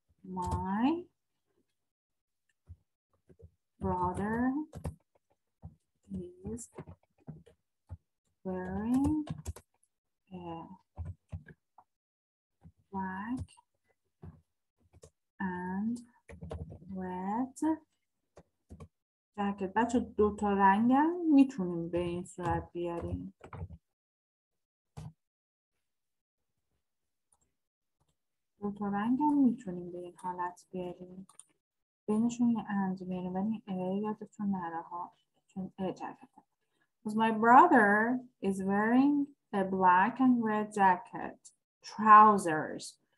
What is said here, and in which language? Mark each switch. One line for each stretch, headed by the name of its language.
English: My brother is wearing a black and red jacket.
Persian: بچه دو تا رنگ هم میتونیم به این صورت بیاریم. دو تا رنگ هم میتونیم به این حالت بیاریم. بینشون یه اند میاریم ولی یادتون نره ها. چون جکت هم.
English: My brother is wearing a black and red jacket, trousers.